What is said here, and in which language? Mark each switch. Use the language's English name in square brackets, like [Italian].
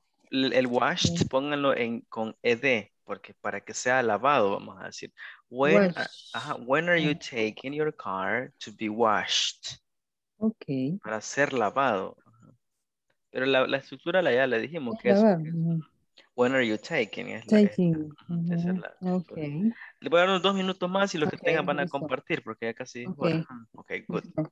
[Spanish] El washed, pónganlo con ed, porque para que sea lavado, vamos a decir. [English] When are you taking your car to be washed? Okay. [Spanish] Para ser lavado. Ajá. Pero la estructura ya le dijimos que es. [English] When are you taking? [Spanish] Le voy a dar unos dos minutos más y los que tengan van a compartir, porque ya casi. [English] Okay, good.